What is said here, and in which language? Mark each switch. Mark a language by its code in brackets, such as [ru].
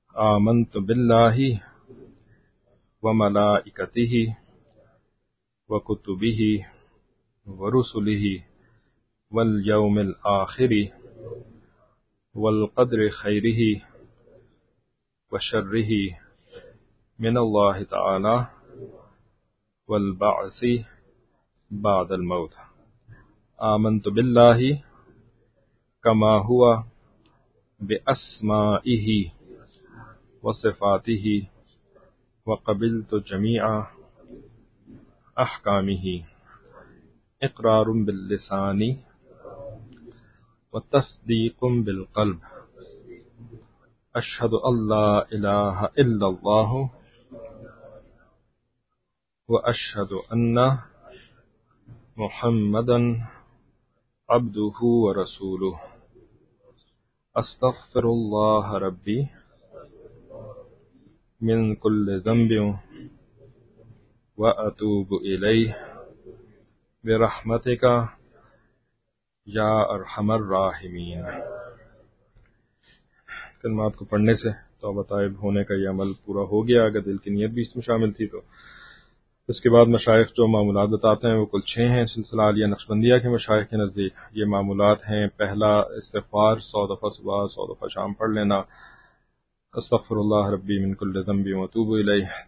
[ar] آمنت باللہ وملائکتہ وکتبہ ورسلہ والیوم الآخر والقدر خیرہ وشرہ من اللہ تعالی والبعث بعد الموت. آمنت باللہ کما ہوا بأسمائه وصفاته وقبلت جميع أحكامه إقرار باللسان وتصديق بالقلب أشهد أن لا إله إلا الله وأشهد أن محمدا عبده ورسوله. استغفر الله ربي من كل ذنب واتوب اليه برحمتك يا ارحم الراحمين. [ur] کلمات کو پڑھنے سے توبہ طائب ہونے کا یہ عمل پورا ہو گیا اگر دل کی نیت بھی اس میں شامل تھی تو. اس کے بعد مشائخ جو معمولات بتاتے ہیں وہ کل چھ ہیں سلسلہ عالیہ نقشبندیہ کے مشائخ کے نزدیک. یہ معمولات ہیں: پہلا استغفار 100 دفعہ صبح، 100 دفعہ شام پڑھ لینا، [ar] استغفر اللہ ربی من کل ذنبی وتوب الیہ.